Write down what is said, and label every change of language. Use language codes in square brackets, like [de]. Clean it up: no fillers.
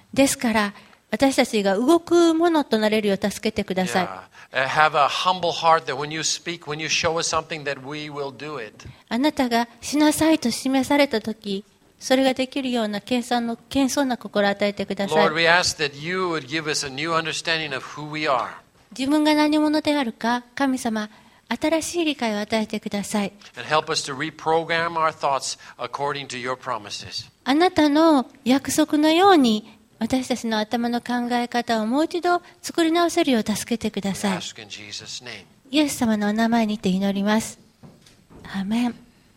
[ja] ですから私たちが動くものとなれるよう助けてください。 [en] Yeah. Have a humble heart that when you speak, when you show us something, that we will do it. [ja] あなたがしなさいと示されたとき、それができるような謙遜な心を与えてください。 [en] Lord, we ask that you would give us a new understanding of who we are. [ja] 自分が何者であるか、神様、新しい理解を与えてください。 [en] And help us to reprogram our thoughts according to your promises. [ja] あなたの約束のように。私たちの頭の考え方をもう一度作り直せるよう助けてください。イエス様のお名前にて祈ります。アーメン。